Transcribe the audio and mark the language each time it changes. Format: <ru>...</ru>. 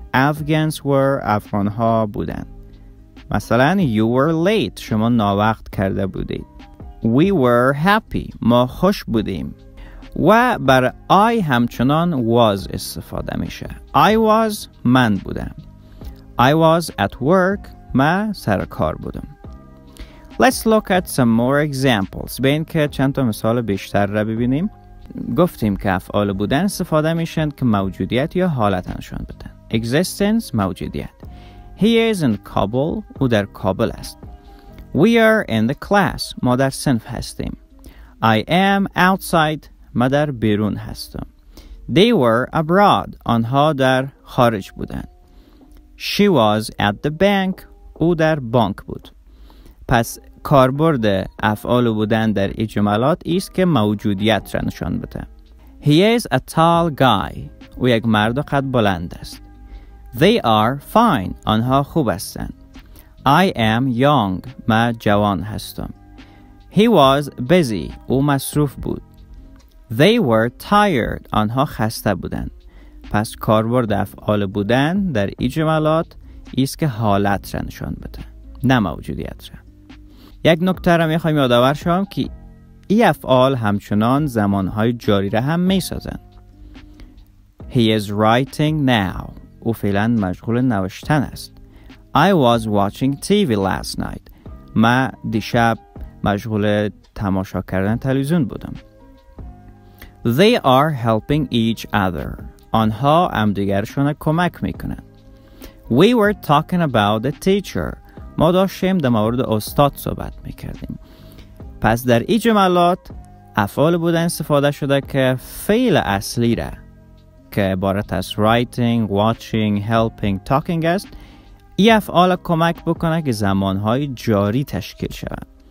<en>Afghans were،</en> <fa>افغانها بودند. مثلا</fa> <en>You were late،</en> <fa>شما ناوقت کرده بودید.</fa> <en>We were happy،</en> <fa>ما خوش بودیم. و بر I همچنان was استفاده میشه.</fa> <en>I was،</en> <fa>من بودم.</fa> <en>I was at work،</en> <fa>من سر کار بودم.</fa> <en>Let's look at some more examples.</en> <fa>بین که چند تا مثال بیشتر را ببینیم. گفتیم که افعال بودن استفاده میشن که موجودیت یا حالت نشان بدن. Existence، موجودیت.</fa> <en>He is in Kabul،</en> <fa>او در کابل است.</fa> <en>We are in the class،</en> <fa>ما در صنف هستیم.</fa> <en>I am outside،</en> <fa>ما در بیرون هستم.</fa> <en>They were abroad،</en> <fa>آنها در خارج بودند.</fa> <en>She was at the bank،</en> <fa>او در بانک بود. پس کاربرد افعال بودن در این جملات ایست که موجودیت را نشان بده.</fa> <en>He is a tall guy،</en> <fa>او یک مرد قد بلند است.</fa> <en>They are fine،</en> <fa>آنها خوب هستند.</fa> <en>I am young،</en> <fa>من جوان هستم.</fa> <en>He was busy،</en> <fa>او مصروف بود.</fa> <en>They were tired،</en> <fa>آنها خسته بودند. پس کاربرد افعال بودن در این جملات ایست که حالت را نشان بده، نه موجودیت را. یک نکته را میخوایم یادآور شوم که ای افعال همچنان زمانهای جاری را هم میسازن.</fa> <en>He is writing now،</en> <fa>او فعلا مشغول نوشتن است.</fa> <en>I was watching TV last night،</en> <fa>من دیشب مشغول تماشا کردن تلویزیون بودم.</fa> <en>They are helping each other،</en> <fa>آنها همدیگرشون کمک میکنن.</fa> <en>We were talking about the teacher،</en> <fa>ما داشتیم در مورد استاد صحبت میکردیم. پس در این جملات افعال بودن استفاده شده که فعل اصلی را که عبارت از writing, watching, helping, talking است، این افعال کمک بکنه که زمانهای جاری تشکیل شود.</fa>